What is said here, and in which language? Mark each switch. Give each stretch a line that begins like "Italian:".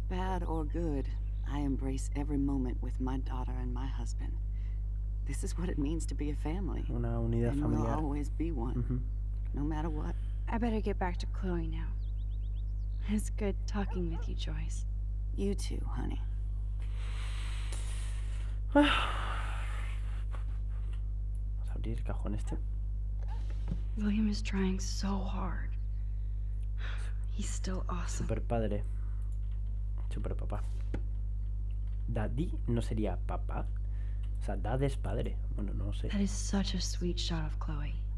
English: Bad or good, I embrace every moment with my daughter and my husband. This is what it means to be a family.
Spanish: Una unidad familiar.
English: And we'll always be one. Mm-hmm. No matter what. I better get back to Chloe now. It's good talking with you, Joyce. You too, honey.
Spanish: Vamos a abrir el cajón este.
English: William is trying so hard. He's still awesome.
Spanish: Super padre. Super papá. Daddy no sería papá. O sea, dad es padre. Bueno, no sé.
English: That is such a sweet shot of Chloe.